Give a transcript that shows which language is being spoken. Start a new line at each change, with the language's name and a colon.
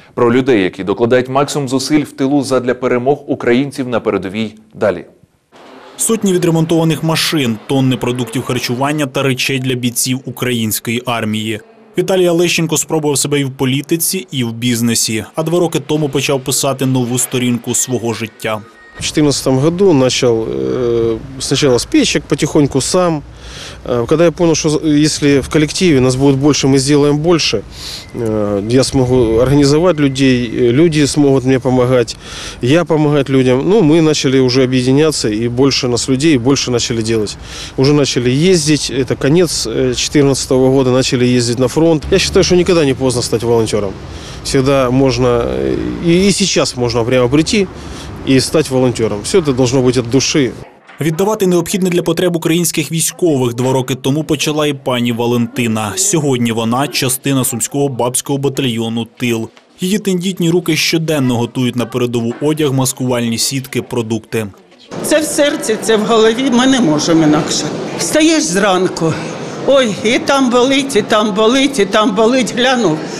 Ukrainian: Про людей, які докладають максимум зусиль в тилу задля перемог українців на передовій. Далі. Сотні відремонтованих машин, тонни продуктів харчування та речей для бійців української армії. Віталій Олещенко спробував себе і в політиці, і в бізнесі. А 2 роки тому почав писати нову сторінку свого життя.
Russian: У 2014 году начал сначала с печек, потихоньку сам. Когда я понял, что если в коллективе нас будет больше, мы сделаем больше, я смогу организовать людей, люди смогут мне помогать, я помогать людям. Ну, мы начали уже объединяться, и больше нас людей, и больше начали делать. Уже начали ездить, это конец 2014 года, начали ездить на фронт. Я считаю, что никогда не поздно стать волонтером. Всегда можно, и сейчас можно прямо прийти
Ukrainian: і стати волонтером. Все це має бути від душі. Віддавати необхідне для потреб українських військових 2 роки тому почала і пані Валентина. Сьогодні вона – частина сумського бабського батальйону «Тил». Її тендітні руки щоденно готують на передову одяг, маскувальні сітки, продукти. Це в серці, це в голові, ми не можемо інакше. Встаєш зранку, ой, і там болить, і там болить, і там болить, гляну.